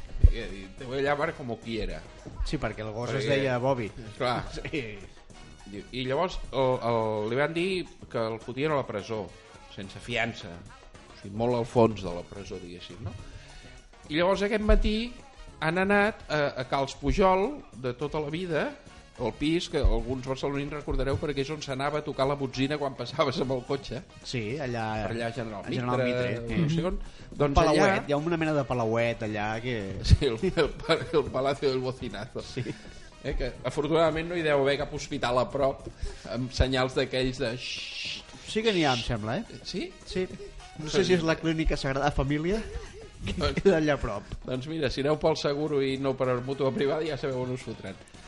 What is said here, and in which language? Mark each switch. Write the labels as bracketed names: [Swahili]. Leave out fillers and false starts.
[Spanish] Te voy a llamar como quiera. [Catalan] Sí, perquè el gos perquè... es deia Bobby. Clar. Sí. I llavors li van dir que el fotien a la presó, sense fiança. O sigui, molt al fons de la presó, diguéssim, no? I llavors aquest matí han anat a Cals Pujol de tota la vida, el pis que alguns barcelonins recordareu perquè és on s'anava a tocar la botzina quan passaves amb el cotxe. Sí, allà... Per allà a General Mitre. General Mitre, no sé on. Doncs palauet, allà... Hi ha una mena de palauet allà que... Sí, el Palacio del Bocinazo. Sí. Que afortunadament no hi deu haver cap hospital a prop amb senyals d'aquells de... Xxxt, sí que n'hi ha, em sembla, eh? Sí? Sí. No sé si és la clínica Sagrada Família... Queda allà a prop. Doncs mira, si aneu pel seguro i no per el mutu privat ja sabeu on us fotran.